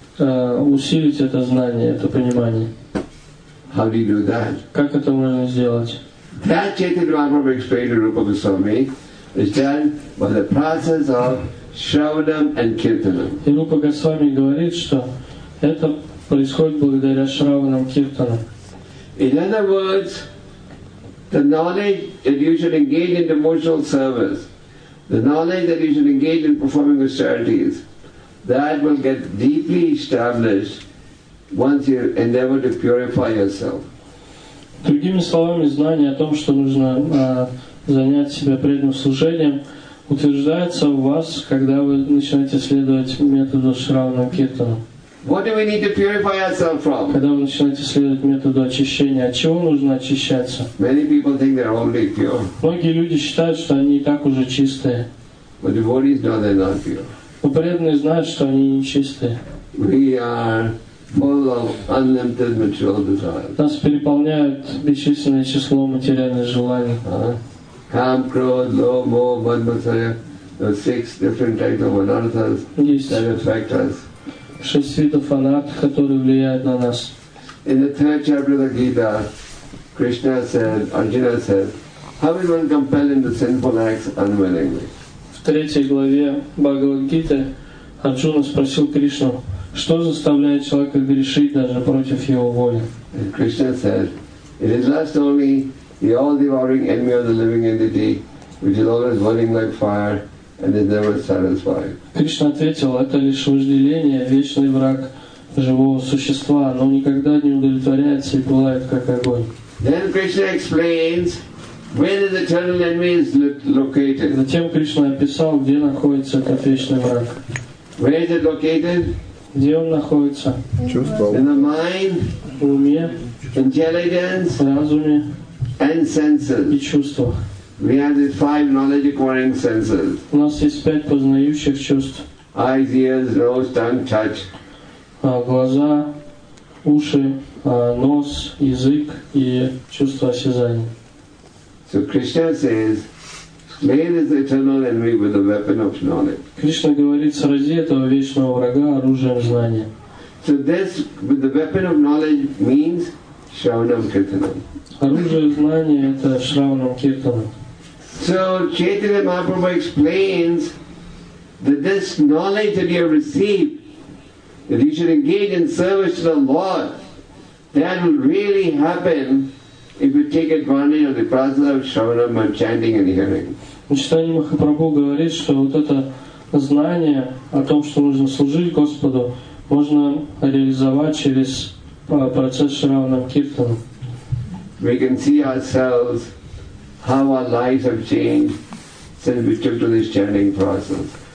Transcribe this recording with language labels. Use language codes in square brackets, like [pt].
[ru] Усилить это знание, это понимание. [en] How do you do that? [ru] Как это можно сделать? [en] That Chaitanya Mahaprabhu explained to Rupa Goswami is done by the process of Shravanam and Kirtanam. [ru] И Рупа Госвами говорит, что это происходит благодаря Шраванам и Киртанам. [en] In other words, the knowledge that you should engage in devotional service, the knowledge that you should engage in performing austerities, that will get deeply established once you endeavor to purify yourself. [ru] Другими словами, знание о том, что нужно занять себя преданным служением, утверждается у вас, когда вы начинаете следовать методу Шравана Киртана. [en] What do we need to purify ourselves from? [ru] Когда вы начинаете следовать методу очищения, от чего нужно очищаться? [en] Many people think they're already pure. [ru] Многие люди считают, что они и так уже чистые. [en] But devotees know they're not pure. [ru] Но преданные знают, что они не чистые. [en] We are full of unlimited material desires. [ru] Нас переполняют бесчисленное число материальных желаний. [en] Kam, krodh, lobh, moh, madmasaya, the six different types of anarthas that affect us. [ru] Шесть видов анарт, которые влияют на нас. [en] In the third chapter of the Gita, Krishna said, Arjuna said, how will one compel into sinful acts unwillingly? [ru] В третьей главе Бхагавад-гиты Арджуна спросил Кришну, что заставляет человека грешить даже против его воли? [en] And Krishna said, it is lust only, the all-devouring enemy of the living entity, which is always burning like fire, and is never satisfied. [ru] Кришна ответил, это лишь вожделение, вечный враг живого существа, но никогда не удовлетворяется и пылает, как огонь. [en] Then Krishna explains where the eternal enemy is located. [ru] Затем Кришна описал, где находится этот вечный враг. [en] Where is it located? [ru] Где он находится? Чувствовал. [en] In the mind, [ru] в уме, [en] intelligence, [ru] в разуме, [en] and senses. [ru] И чувства. [en] We have these five knowledge-acquiring senses. [ru] У нас есть пять познающих чувств. [en] Eyes, ears, nose, tongue, touch. [ru] Глаза, уши, нос, язык и чувство осязания. [en] So Krishna says, slay this eternal enemy with the weapon of knowledge. [ru] Кришна говорит, срази этого вечного врага оружием знания. [en] So this, with the weapon of knowledge, means Shravanam Kirtanam. [ru] Оружие знания – это Шравана Киртана. [en] So Chaitanya Mahaprabhu explains that this knowledge that you have received, that you should engage in service to the Lord, that will really happen if you take advantage of the process of Shravanam and chanting and hearing. [ru] Chaitanya Mahaprabhu говорит, что вот это знание о том, что нужно служить Господу, можно реализовать через процесс Шравана Киртана. [en] We can see ourselves how our lives have changed since we took to this chanting process.